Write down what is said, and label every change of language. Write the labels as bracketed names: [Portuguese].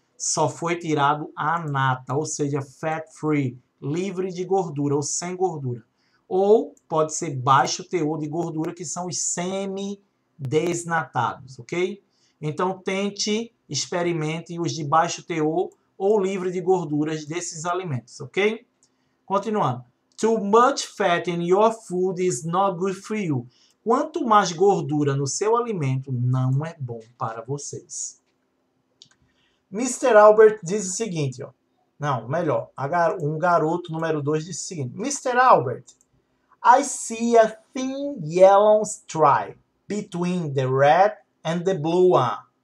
[Portuguese] Só foi tirado a nata, ou seja, fat free, livre de gordura ou sem gordura. Ou pode ser baixo teor de gordura, que são os semi desnatados, ok? Então tente, experimente os de baixo teor ou livre de gorduras desses alimentos, ok? Continuando. [English] Too much fat in your food is not good for you. [Portuguese] Quanto mais gordura no seu alimento, não é bom para vocês. Mr. Albert diz o seguinte, ó. Não, melhor. Um garoto número 2 diz o seguinte: Mr. [English] Albert, I see a thin yellow stripe between the red and the blue one.